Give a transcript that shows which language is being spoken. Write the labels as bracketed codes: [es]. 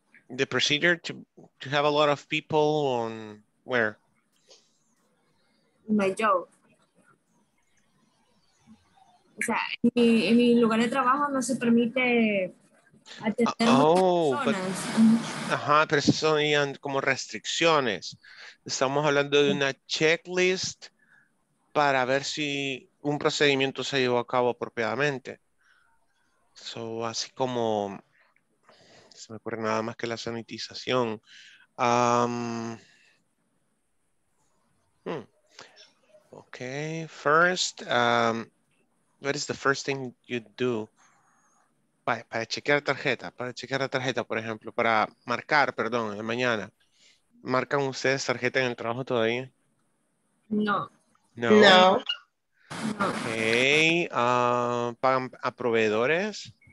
[en] The procedure to have a lot of people on where? in my job. [es] O sea, en mi lugar de trabajo no se permite atender personas. Ajá, pero esas son como restricciones. Estamos hablando de una checklist para ver si un procedimiento se llevó a cabo apropiadamente. So, así como se me ocurre nada más que la sanitización. [en] Okay, first, what is the first thing you do? [es] Para chequear tarjeta, para chequear la tarjeta, por ejemplo, para marcar, perdón, en la mañana. ¿Marcan ustedes tarjeta en el trabajo todavía? No. No. No. Ok. ¿Pagan a proveedores?